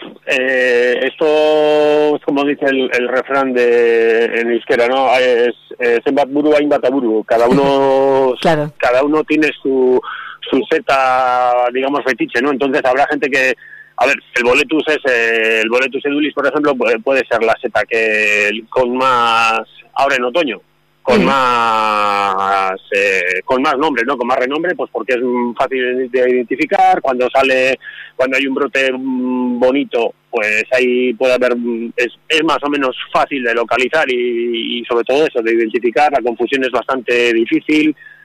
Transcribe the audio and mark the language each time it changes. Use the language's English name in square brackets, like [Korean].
[Spanish] Esto es como dice el refrán en euskera, ¿no? [Basque] Es zenbat buru, hainbat aburu. [Spanish] Cada uno, claro. Cada uno tiene su seta, digamos, fetiche, ¿no? Entonces habrá gente que... A ver, el Boletus edulis, por ejemplo, puede ser la seta que con más, ahora en otoño, con más nombre, ¿no? Con más renombre, pues porque es fácil de identificar, cuando hay un brote bonito, pues ahí puede haber, es más o menos fácil de localizar y sobre todo eso, de identificar, la confusión es bastante difícil.